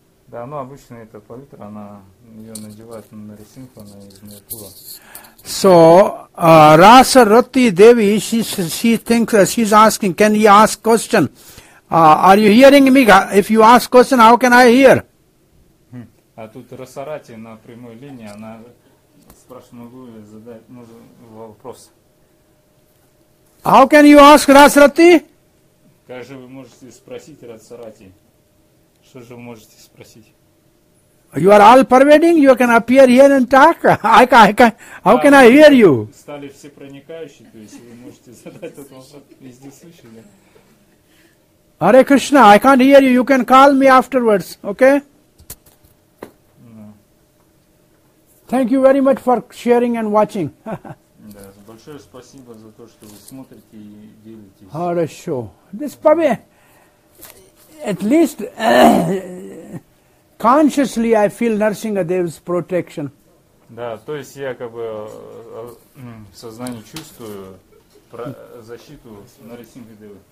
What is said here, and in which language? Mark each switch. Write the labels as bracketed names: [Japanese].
[Russian] Да, ну обычно эта Pavitra, она ее надевает на Narsingha, она из Mayapur. [English] So, Rasa Rati Devi, she thinks, she's asking, can he ask question? Are you hearing me? If you ask question, how can I hear? [Russian] А тут Расарати на прямой линии, она спрашивает, могу ли задать вопрос. [English] How can you ask Расарати? [Russian] Как же вы можете спросить Расарати? Что же вы можете спросить? [English] You are all pervading, you can appear here and talk. How can I hear you? [Russian] Стали все проникающие, то есть вы можете задать этот вопрос везде слышали. [English] Hare Krishna, I can't hear you. You can call me afterwards, okay? No. Thank you very much for sharing and watching. [Russian] Да, большое спасибо за то, что вы смотрите и делитесь. Хорошо. [English] This probably at least consciously, I feel Narsingha Dev's protection. [Russian] Да, то есть я как бы в сознании чувствую защиту Нарсингха Девы.